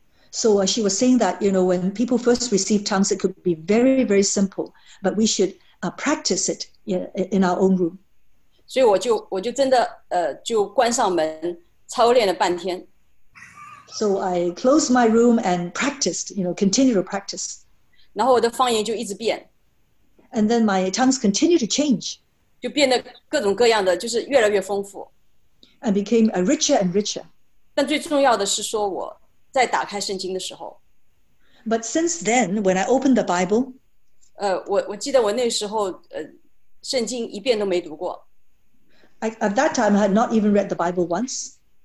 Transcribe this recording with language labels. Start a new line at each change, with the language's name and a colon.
English: So she was saying that, you know, when people first receive tongues, it could be very, very simple, but we should practice it in our own room.
Chinese: 所以我就真的就关上门操练了半天。
English: So I closed my room and practiced, you know, continue to practice.
Chinese: 然后我的方言就一直变。And
English: then my tongues continue to change.
Chinese: 就变得各种各样的，就是越来越丰富。And
English: became a richer and richer.
Chinese: 但最重要的是说我。在打开圣经的时候,
English: but since then, when I opened the Bible,
Chinese: 我记得我那时候圣经一遍都没读过。
English: At that time, I had not even read the Bible once.